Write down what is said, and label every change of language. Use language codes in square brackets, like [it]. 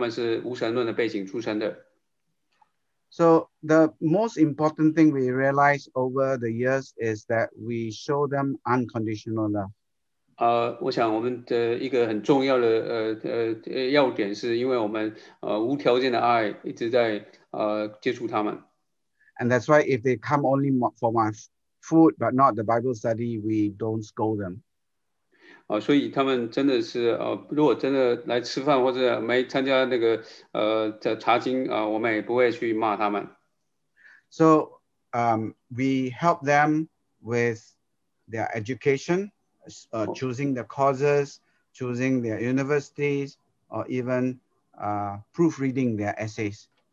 [zh] 他们会像日本人说法一样，所以他们是无神论的背景出身的。 [en] So the most important thing we realize over the years is that we show them unconditional love. [zh] 我想我们的一个很重要的要点是因为我们无条件的爱一直在 接触他们。 [en] And that's why if they come only for my food but not the Bible study, we don't scold them. [zh] 所以他们真的是如果真的来吃饭或者没参加那个查经，我们也不会去骂他们。 [en] So we help them with their education, choosing the courses, choosing their universities, or even proofreading their essays.